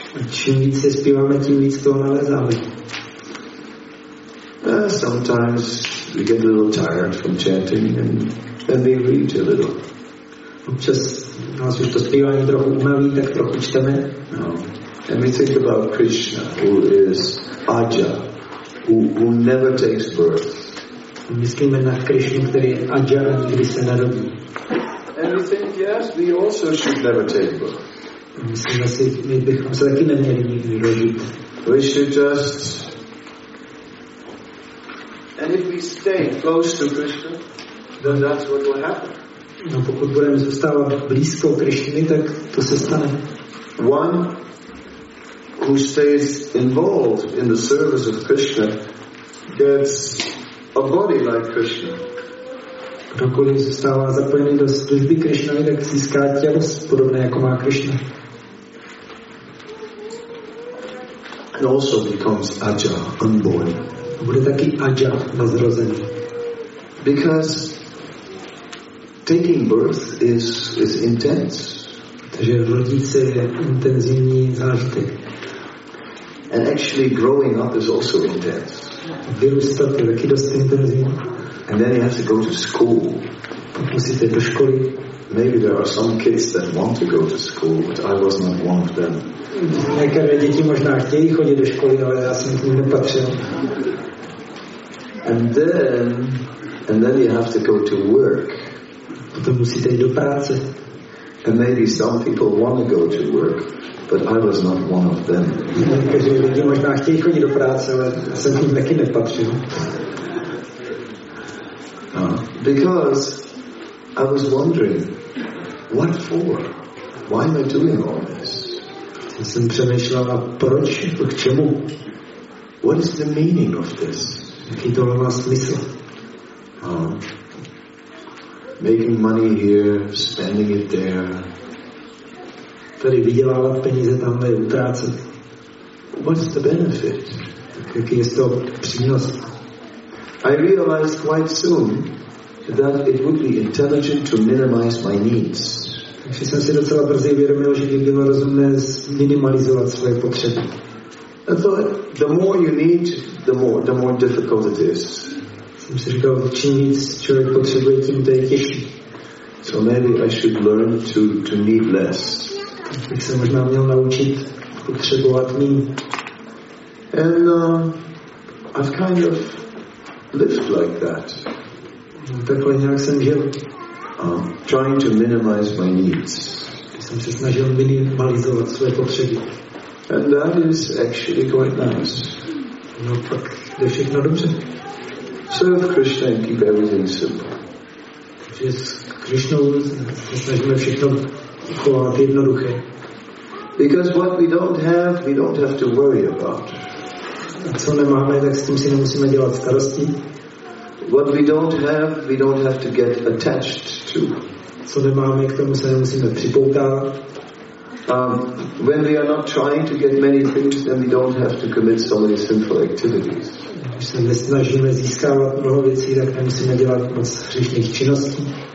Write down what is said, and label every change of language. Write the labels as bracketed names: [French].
[Czech] Čím víc se zpíváme, tím víc toho nalezáme. [English] Sometimes we get a little tired from chanting and then we read a little. [Czech] Občas nás už to zpívání trochu umaví, tak trochu čteme. No. [English] And we think about Krishna, who is Aja, who never takes birth. [Czech] Myslíme na Krishnu, který je Aja, který se narodí. [English] And we think, yes, we also should never take birth. [Czech] Myslím si, my bychom se taky neměli nikdy rodit. [English] We should just... And if we stay close to Krishna, then that's what will happen. [Czech] No, pokud budeme zůstávat blízko Krishny, tak to se stane. [English] One who stays involved in the service of Krishna gets a body like Krishna. [Czech] Kdokoliv zůstává zapojený do služby Krishnovi, tak získá tělo podobné, jako má Krishna. [English] And also becomes Aja, unborn. [Czech] Bude taky Aja, nazrozený. [English] Because taking birth is intense. [Czech] Takže rodit se je intenzivní zážitek. [English] And actually growing up is also intense. [Czech] Vyrůstat je taky dost intenzivní. [English] And then you have to go to school. [Czech] Musíte do školy. [English] Maybe there are some kids that want to go to school, but I was not one of them. [Czech] Některé děti možná chtějí chodit do školy, ale já jsem k ním nepatřil. [English] And then you have to go to work. [Czech] Potom musíte jít do práce. [English] And maybe some people want to go to work, but I was not one of them. [Czech] Některé děti možná chtějí chodit do práce, ale já jsem k ním taky nepatřil. [English] Because I was wondering, what for? Why am I doing all this? [Czech] Já jsem přemýšlel, proč, k čemu? [English] What is the meaning of this? [Czech] Jaký to má smysl? [English] Making money here, spending it there. [Czech] Tady vydělávat peníze, tamhle je utrácet. [English] What is the benefit? [Czech] Tak jaký je z toho přínos? [English] I realized quite soon that it would be intelligent to minimize my needs. [Czech] Takže jsem si docela brzy uvědomil, že by bylo rozumné minimalizovat své potřeby. [English] I thought, the more you need, the more difficult it is. [Czech] Jsem si říkal, čím víc člověk potřebuje, tím to je těžší. [English] So maybe I should learn to need less. [Czech] Tak se možná měl naučit potřebovat mín. [English] And I've kind of lived like that. [Czech] Takhle nějak jsem žil. [English] Trying to minimize my needs. [Czech] Jsem se snažil minimalizovat své potřeby. [English] And that is actually quite nice. [Czech] No pak jde všechno dobře. [English] Serve Krishna and keep everything simple. [Czech] Takže s Krishnou se snažíme všechno uchovat jednoduché. [English] Because what we don't have to worry about. [Czech] A co nemáme, tak s tím si nemusíme dělat starosti. [English] What we don't have to get attached to. [Czech] Co nemáme, k tomu se nemusíme připoutávat. [English] When we are not trying to get many things, then we don't have to commit so many sinful activities. [Czech] Když se nesnažíme získávat mnoho věcí, tak nemusíme dělat moc hříšných činností.